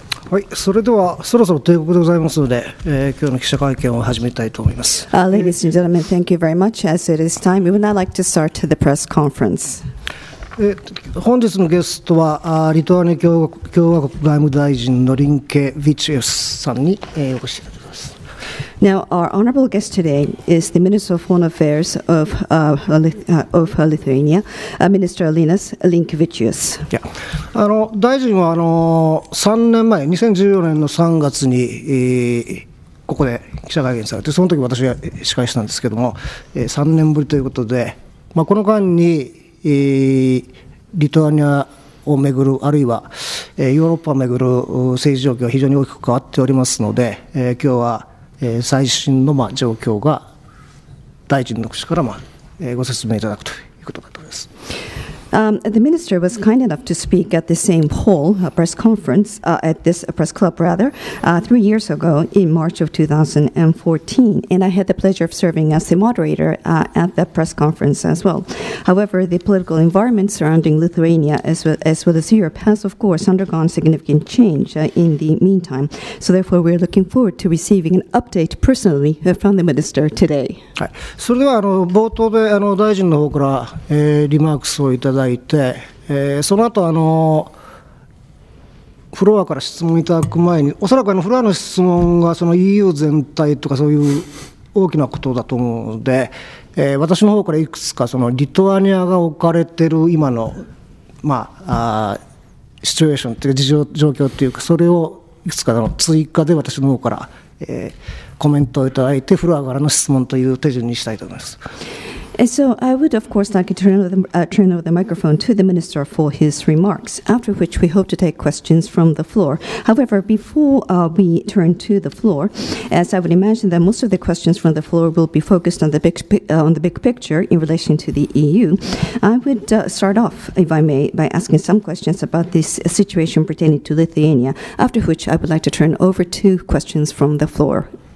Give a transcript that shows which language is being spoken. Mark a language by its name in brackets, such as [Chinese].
[Japanese] はい、それではそろそろ定刻でございますので、今日の記者会見を始めたいと思います。 [English] Ladies and gentlemen, thank you very much. As it is time, we would now like to start the press conference. [Japanese] 本日のゲストはリトアニア共和国外務大臣のリンケ・ヴィチュスさんに、お越しいただきます。 [English] Now, our honorable guest today is the Minister of Foreign Affairs of, Lithuania, Minister Linas Linkevičius. [Japanese] 大臣は3年前、2014年の3月に、ここで記者会見されて、その時私が司会したんですけども、3年ぶりということで、まあ、この間に、リトアニアをめぐる、あるいは、ヨーロッパをめぐる政治状況が非常に大きく変わっておりますので、今日は最新の状況が大臣の口からご説明いただくということだと思います。 [English] The minister was kind enough to speak at the same hall, press conference, at this press club rather, 3 years ago in March of 2014. And I had the pleasure of serving as the moderator at that press conference as well. However, the political environment surrounding Lithuania as well as Europe has, of course, undergone significant change in the meantime. So therefore, we're looking forward to receiving an update personally from the minister today. [Japanese] それでは冒頭で大臣の方から、リマークスをいただいて、その後フロアから質問いただく前に、おそらくフロアの質問がその EU 全体とかそういう大きなことだと思うので、私の方からいくつかそのリトアニアが置かれている今の、シチュエーションというか状況というか、それをいくつかの追加で私の方から、コメントをいただいて、フロアからの質問という手順にしたいと思います。 [English] So I would of course like to turn over the microphone to the minister for his remarks, after which we hope to take questions from the floor. However, before we turn to the floor, as I would imagine that most of the questions from the floor will be focused on the big picture in relation to the EU, I would start off, if I may, by asking some questions about this situation pertaining to Lithuania, after which I would like to turn over to questions from the floor.